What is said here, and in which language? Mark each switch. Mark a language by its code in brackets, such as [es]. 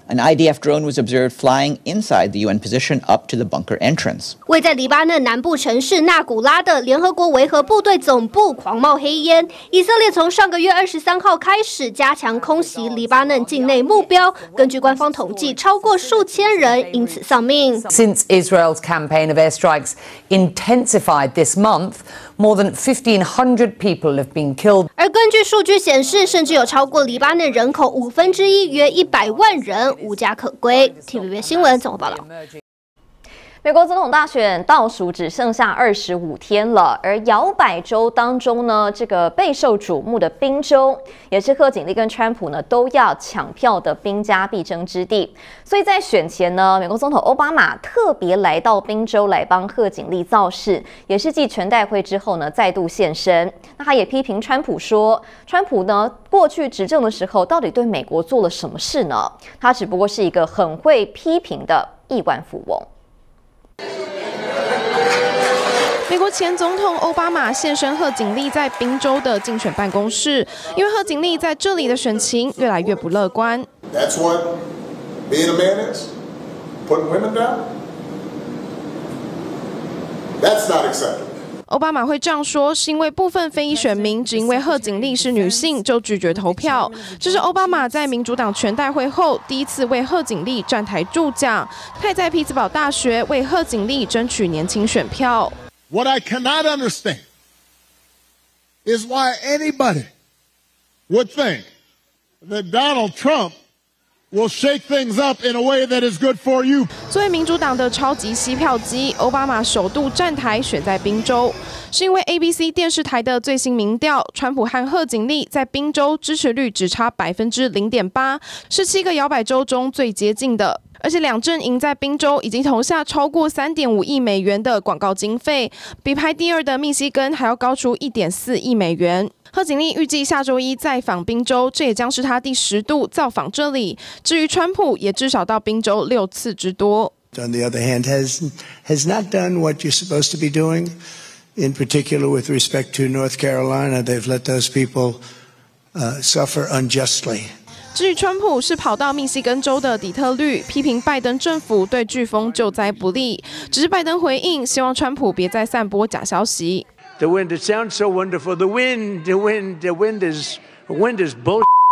[en] An IDF drone was observed flying inside the UN position up to the bunker entrance. [zh] 位在黎巴嫩南部城市纳古拉的联合国维和部队总部狂冒黑烟。以色列从上个月23号开始加强空袭黎巴嫩境内目标，根据官方统计，超过数千人因此丧命。 [en] Since Israel's campaign of airstrikes intensified this month, more than 1,500 people have been killed. [zh] 而根据数据显示，甚至有超过黎巴嫩人口1/5，约100万人无家可归。TVB 新闻综合报道。美国总统大选倒数只剩下25天了，而摇摆州当中呢，这个备受瞩目的宾州，也是贺锦丽跟川普呢都要抢票的兵家必争之地。所以在选前呢，美国总统奥巴马特别来到宾州来帮贺锦丽造势，也是继全代会之后呢再度现身。那他也批评川普说，川普呢过去执政的时候到底对美国做了什么事呢？他只不过是一个很会批评的亿万富翁。美国前总统奥巴马现身贺锦丽在宾州的竞选办公室，因为贺锦丽在这里的选情越来越不乐观。 [en] That's what being a man is, putting women down. That's not acceptable. [zh] 奥巴马会这样说，是因为部分非裔选民只因为贺锦丽是女性就拒绝投票。这是奥巴马在民主党全代会后第一次为贺锦丽站台助讲，他也在匹兹堡大学为贺锦丽争取年轻选票。 [en] What I cannot understand is why anybody would think that Donald Trump. Will shake things up in a way that is good for you. [zh] 作为民主党的超级吸票机，奥巴马首度站台选在宾州，是因为 ABC 电视台的最新民调，川普和贺锦丽在宾州支持率只差0.8%，是七个摇摆州中最接近的。而且两阵营在宾州已经投下超过3.5亿美元的广告经费，比排第二的密西根还要高出1.4亿美元。贺锦丽预计下周一再访宾州，这也将是他第10度造访这里。至于川普，也至少到宾州6次之多。 [en] On the other hand, has not done what you're supposed to be doing, in particular with respect to North Carolina. They've let those people suffer unjustly. [zh] 至于川普是跑到密西根州的底特律，批评拜登政府对飓风救灾不利。只是拜登回应，希望川普别再散播假消息。 [en] The wind, it sounds so wonderful. The wind is bullshit.